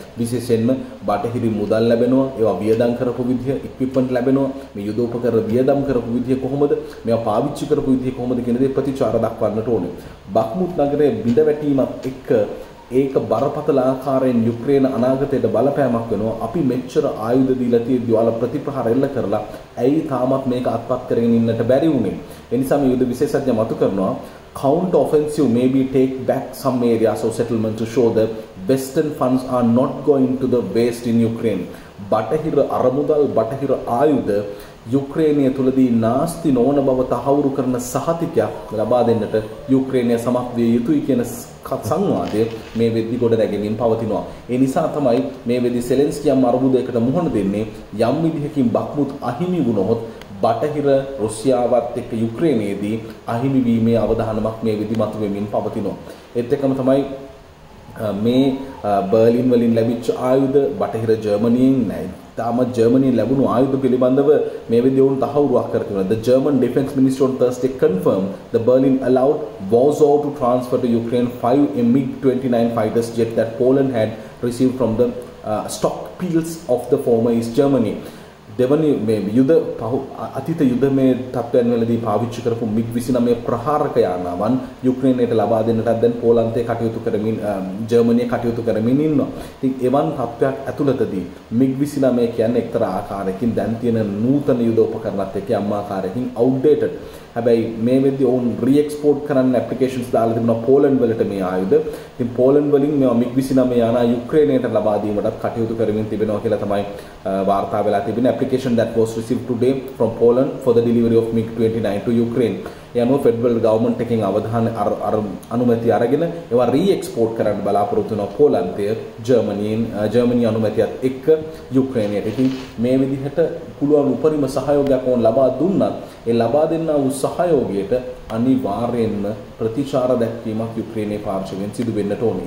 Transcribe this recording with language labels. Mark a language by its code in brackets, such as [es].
[si] විශේෂයෙන්ම බටහිරින් මුදල් ලැබෙනවා, ඒවා වියදම් කරපු විදිහ, ඉක්විප්මන්ට් ලැබෙනවා, මේ යුදෝපකරණ වියදම් කරපු විදිහ කොහොමද, මේවා පාවිච්චි කරපු විදිහ කොහොමද කියන දේ ප්‍රතිචාර දක්වන්නට ඕනේ. බක්මුත් නගරයේ බිඳ වැටීමත් එක්ක ඒක බරපතල ආකාරයෙන් යුක්‍රේන අනාගතයට බලපෑමක් වෙනවා. අපි මෙච්චර ආයුධ දීලා තියද්දී ඔයාලා ප්‍රතිප්‍රහාර එල්ල කරලා ඇයි තාමත් මේක අත්පත් කරගෙන ඉන්නට බැරි වුනේ? ඒ නිසාම යුද විශේෂඥ මතු කරනවා [en] count offensive may be take back some areas of settlement to show that western funds are not going to the waste in ukraine. [si] බටහිර අරමුදල්, බටහිර ආයුධ යුක්‍රේනය තුළදී නාස්ති නොවන බව තහවුරු කරන සහතිකයක් ලබා දෙන්නට යුක්‍රේනය සමත් විය යුතුයි කියන සංවාදය මේ වෙද්දි ගොඩ නැගෙමින් පවතිනවා. ඒ නිසා තමයි මේ වෙද්දි සෙලෙන්ස්කි යම් අරමුදයකට මුහුණ දෙන්නේ. යම් විදිහකින් බක්මුත් අහිමි වුණොත් බටහිර රුසියාවත් එක්ක යුක්‍රේනයේදී අහිමි වීමේ අවධානමක් මේ වෙද්දි මතුවෙමින් පවතිනවා. ඒත් එක්කම තමයි මේ බර්ලින් වලින් ලැබිච්ච ආයුධ බටහිර ජර්මනියෙන් නැයි තම ජර්මනිය ලැබුණු ආයුධ පිළිබඳව මේ වෙද්දී ඔවුන් තහවුරුවක් කර තිබෙනවා. [en] The German Defense Minister on Thursday confirmed the Berlin allowed Warsaw to transfer to Ukraine 5 MiG-29 fighters jet that Poland had received from the stockpiles of the former East Germany. [si] දෙවනි මේ යුද අතීත යුදමේ තත්ත්වයන් වලදී පාවිච්චි කරපු MiG-29 ප්‍රහාරක යානාවන් යුක්‍රේනයට ලබා දෙන්නටත් දැන් පෝලන්තයේ කටයුතු කරමින්, ජර්මනිය කටයුතු කරමින් ඉන්නවා. ඉතින් එවන් තත්ත්වයක් ඇතුළතදී MiG-29 කියන්නේ එක්තරා ආකාරයකින් දැන් තියෙන නූතන යුද උපකරණත් එක්ක යම් ආකාරයකින් outdated. හැබැයි මේ වෙද්දි ඔවුන් re-export කරන්න ඇප්ලිකේෂන්ස් දාලා තිබුණා පෝලන්ඩ් වලට මේ ආයුධ. ඉතින් පෝලන්ඩ් වලින් මේ MiG-29 යානා යුක්‍රේනයට ලබා දීමටත් කටයුතු කරමින් තිබෙනවා කියලා තමයි වාර්තා වෙලා තිබෙන්නේ. [en] Application that was received today from Poland for the delivery of MiG-29 to Ukraine. [si] යනු ෆෙඩරල් ගවර්මන්ට් එකකින් අවධාන අනුමැතිය අරගෙන ඒවා re-export කරන්න බලාපොරොත්තු වෙනවා පෝලන්තය, ජර්මනියෙන් ජර්මනි අනුමැතියත් එක්ක යුක්‍රේනයට. ඉතින් මේ විදිහට පුළුවන් උපරිම සහයෝගයක් ඔවුන් ලබා දුන්නත් ඒ ලබා දෙන්නා වූ සහයෝගයට අනිවාර්යෙන්ම ප්‍රතිචාර දැක්වීමක් යුක්‍රේනයේ පාර්ශ්වයෙන් සිදු වෙන්නට ඕනි.